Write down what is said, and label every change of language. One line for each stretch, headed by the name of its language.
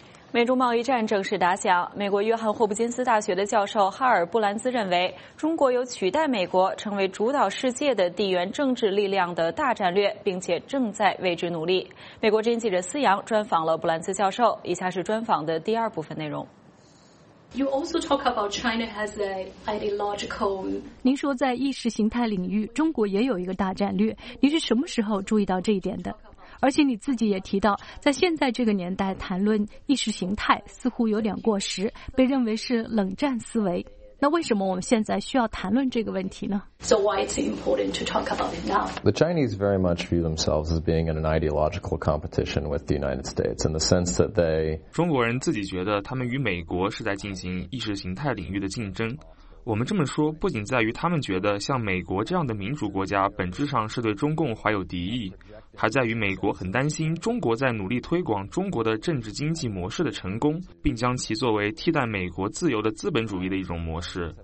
Chinese: 美中贸易战正式打响，美国约翰霍普金斯大学的教授哈尔·布兰兹认为，中国有取代美国成为主导世界的地缘政治力量的大战略，并且正在为之努力。美国之音记者思阳专访了布兰兹教授，以下是专访的第二部分内容。
English: You also talk about China has an ideological.
Chinese: 您说在意识形态领域，中国也有一个大战略。您是什么时候注意到这一点的？而且你自己也提到，在现在这个年代谈论意识形态似乎有点过时，被认为是冷战思维。那为什么我们现在需要谈论这个问题呢？
English: So why it's important to talk about it now? The Chinese very much view themselves as being in an ideological competition with the United States in the sense that they
Chinese: 中国人自己觉得他们与美国是在进行意识形态领域的竞争。我们这么说不仅在于他们觉得像美国这样的民主国家本质上是对中共怀有敌意，还在于美国很担心中国在努力推广中国的政治经济模式的成功，并将其作为替代美国自由的资本主义的一种模式。